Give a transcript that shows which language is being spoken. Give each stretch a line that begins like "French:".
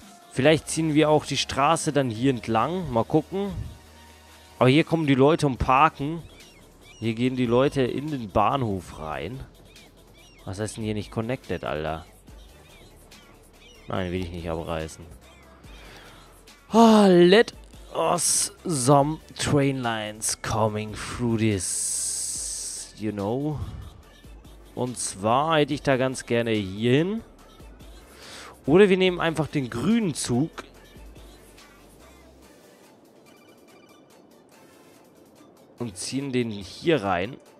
German: Vielleicht ziehen wir auch die Straße dann hier entlang, mal gucken. Aber hier kommen die Leute und parken. Hier gehen die Leute in den Bahnhof rein. Was heißt denn hier nicht connected, Alter? Nein, will ich nicht abreißen.
English: Oh, let us some train lines coming through this, you know.
German: Und zwar hätte ich da ganz gerne hier hin. Oder wir nehmen einfach den grünen Zug. Und ziehen den hier rein.